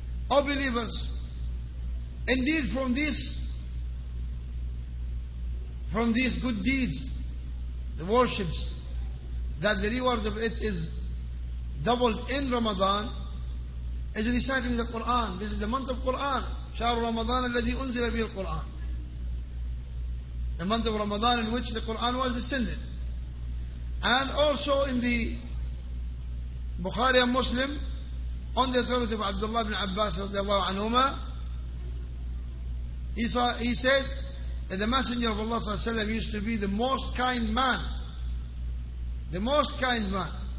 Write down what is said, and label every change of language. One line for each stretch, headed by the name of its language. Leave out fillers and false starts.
English: O believers, indeed from these good deeds, the worships, that the reward of it is doubled in Ramadan, is reciting the Quran. This is the month of Quran.
Arabic: شهر رمضان الذي أنزل به القرآن.
English: The month of Ramadan in which the Quran was descended. And also in the Bukhari and Muslim, on the authority of Abdullah ibn Abbas radiallahu anhuma, he said that the Messenger of Allah sallallahu alayhi wa sallam used to be the most kind man. The most kind man.